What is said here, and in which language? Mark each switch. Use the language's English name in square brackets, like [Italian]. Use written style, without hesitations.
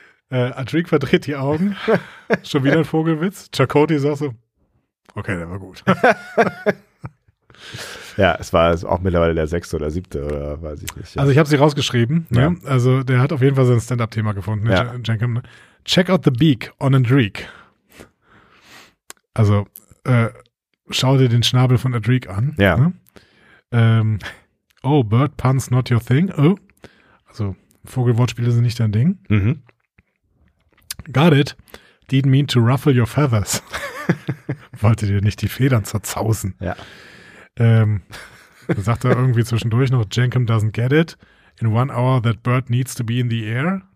[German] Adric verdreht die Augen. Schon wieder ein Vogelwitz. Chakotay sagt so, okay, der war gut. Ja, es war auch mittlerweile der 6. oder 7. oder weiß ich nicht. Ja. Also ich habe sie rausgeschrieben. Ja. Ja. Also der hat auf jeden Fall sein Stand-Up-Thema gefunden. Ja. Jenkins. [English] Check out the beak on Adric. [German] Also schau dir den Schnabel von Adric an. Ja. Ne? [English] Oh, bird puns not your thing. Oh. [German] Also Vogelwortspiele sind nicht dein Ding. Mhm. [English] Got it. Didn't mean to ruffle your feathers. [German] Wollte dir nicht die Federn zerzausen. Ja. Sagt er irgendwie zwischendurch noch, [English] Jenkins doesn't get it. In 1 hour that bird needs to be in the air.